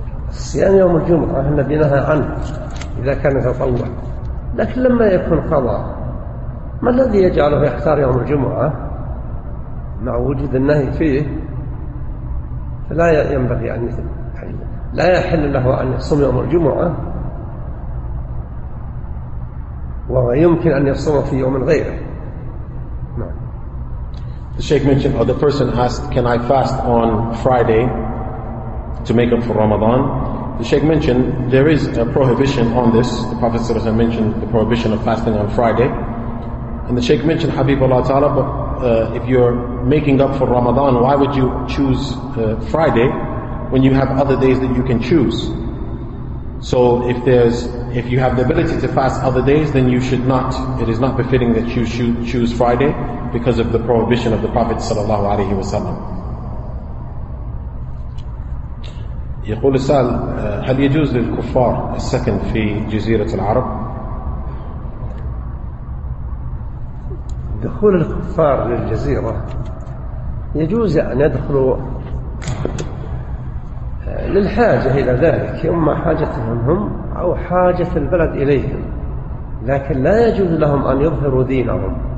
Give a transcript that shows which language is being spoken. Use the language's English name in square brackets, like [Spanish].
[Arabic] صيام يوم الجمعة النبي نهى عنه إذا كان تطوع، لكن لما يكون قضاء ما الذي يجعله يختار يوم الجمعة مع وجود النهي فيه؟ فلا ينبغي أن لا يحل له أن يصوم يوم الجمعة، ويمكن أن يصوم في يوم غيره. [English] The Shaykh mentioned, or the person asked, can I fast on Friday to make up for Ramadan? The Shaykh mentioned, there is a prohibition on this. The Prophet ﷺ mentioned the prohibition of fasting on Friday. And the Shaykh mentioned, Habib Allah Ta'ala, but if you're making up for Ramadan, why would you choose Friday when you have other days that you can choose? So if you have the ability to fast other days, then you should not, it is not befitting that you should choose Friday because of the prohibition of the Prophet sallallahu alaihi wasallam. [Arabic] يقول السؤال هل يجوز للكفار السكن في جزيرة العرب؟ دخول الكفار للجزيرة يجوز أن يدخلوا للحاجة إلى ذلك، إما حاجتهم هم أو حاجة البلد إليهم، لكن لا يجوز لهم أن يظهروا دينهم.